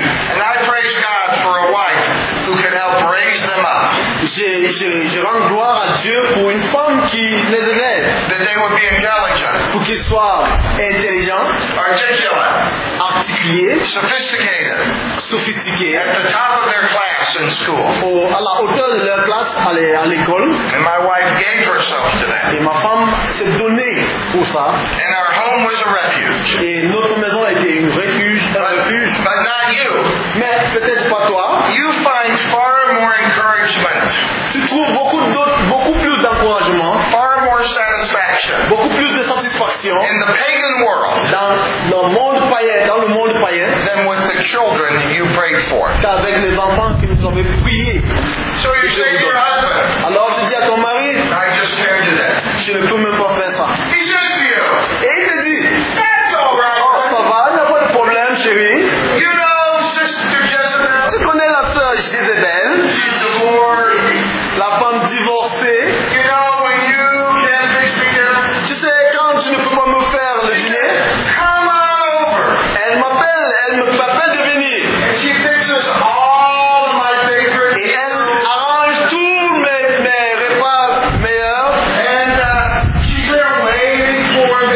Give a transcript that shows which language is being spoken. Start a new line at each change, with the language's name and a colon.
English: And I praise God for a wife who can help raise them up.
French: Je rends gloire à Dieu pour une femme qui les élève.
English: That they would be intelligent.
French: Pour qu'ils soient intelligents.
English: Articulate.
French: Articulés.
English: Sophisticated.
French: Sophistiqués.
English: At the top of their class in school.
French: À la hauteur de leur classe à l'école.
English: And my wife gave herself to that.
French: Et ma femme s'est donnée pour ça.
English: And our home was a refuge.
French: Et notre maison était un refuge.
English: But not you.
French: Mais peut-être pas toi.
English: You find far more encouragement.
French: Tu trouves beaucoup plus d'encouragement.
English: Far more satisfaction.
French: Beaucoup plus de satisfaction.
English: In the pagan world.
French: Dans le monde païen. Dans le monde païen.
English: Than with the children you prayed for.
French: Qu'avec les enfants que nous avons priés.
English: So you say to your husband.
French: Alors tu dis à ton mari.
English: I just can't do that.
French: Je ne peux même pas faire ça. Et il te dit,
English: that's all right.
French: Ça va, il n'y a pas de problème, chérie.
English: You know, Sister Jezebel.
French: Tu connais la sœur Jezebel.
English: She's divorced.
French: La femme divorcée.
English: You know, when you can't fix me dinner.
French: Tu sais, quand tu ne peux pas me faire le dîner,
English: come on over.
French: Elle m'appelle de venir.
English: And she fixes all my favorites.
French: Et elle arrange tous mes repas meilleurs.
English: And she's there waiting for me.